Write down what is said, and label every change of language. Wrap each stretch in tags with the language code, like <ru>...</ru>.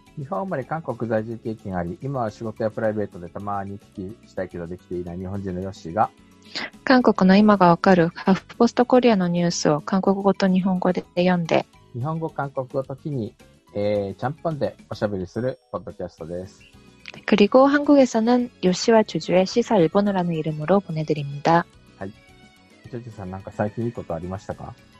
<ja>日本生まれ、韓国在住経験あり、今は仕事やプライベートでたまに聞きしたいけどできていない日本人のヨッシーが、韓国の今がわかる、ハーフポストコリアのニュースを韓国語と日本語で読んで、日本語、韓国語ときに、ちゃんぽんでおしゃべりするポッドキャストです。</ja> <ko>그리고한국에서는요시와주주의시사일본어라는이름으로보내드립니다。</ko> <ja>はい。 주주さん、なんか最近いいことありましたか？</ja>